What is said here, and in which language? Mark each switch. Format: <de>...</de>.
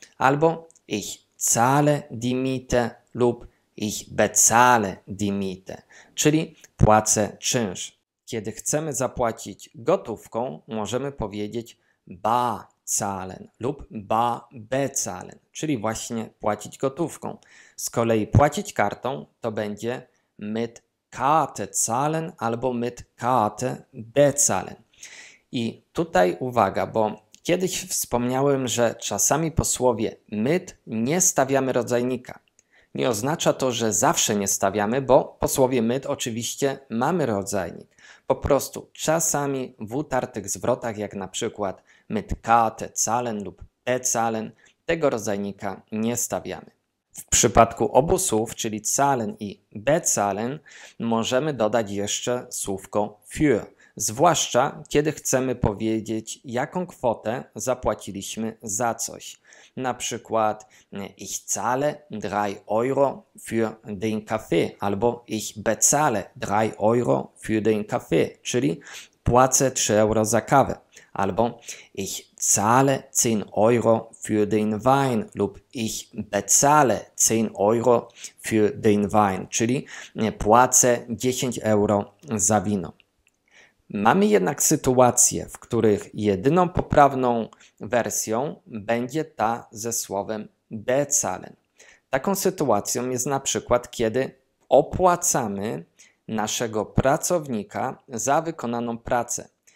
<pl>Albo</pl> <de>ich zahle die Miete</de> <pl>lub</pl> <de>ich bezahle die Miete,</de> <pl>czyli płacę czynsz. Kiedy chcemy zapłacić gotówką, możemy powiedzieć</pl> <de>bar zahlen</de> <pl>lub</pl> <de>bar bezahlen,</de> <pl>czyli właśnie płacić gotówką. Z kolei płacić kartą to będzie</pl> <de>mit Karte zahlen</de> <pl>albo</pl> <de>mit Karte bezahlen.</de> <pl>I tutaj uwaga, bo kiedyś wspomniałem, że czasami po słowie mit nie stawiamy rodzajnika. Nie oznacza to, że zawsze nie stawiamy, bo po słowie mit oczywiście mamy rodzajnik. Po prostu czasami w utartych zwrotach, jak na przykład</pl> <de>mit Karte zahlen</de> <pl>lub bezahlen, tego rodzajnika nie stawiamy. W przypadku obu słów, czyli zahlen i bezahlen, możemy dodać jeszcze słówko für, zwłaszcza kiedy chcemy powiedzieć, jaką kwotę zapłaciliśmy za coś. Na przykład</pl> <de>ich zahle 3 euro für den Kaffee</de> <pl>albo</pl> <de>ich bezahle 3 euro für den Kaffee,</de> <pl>czyli płacę 3 euro za kawę. Albo</pl> <de>ich zahle 10 euro für den Wein</de> <pl>lub</pl> <de>ich bezahle 10 euro für den Wein,</de> <pl>czyli płacę 10 euro za wino. Mamy jednak sytuacje, w których jedyną poprawną wersją będzie ta ze słowem bezahlen. Taką sytuacją jest na przykład, kiedy opłacamy naszego pracownika za wykonaną pracę.</pl>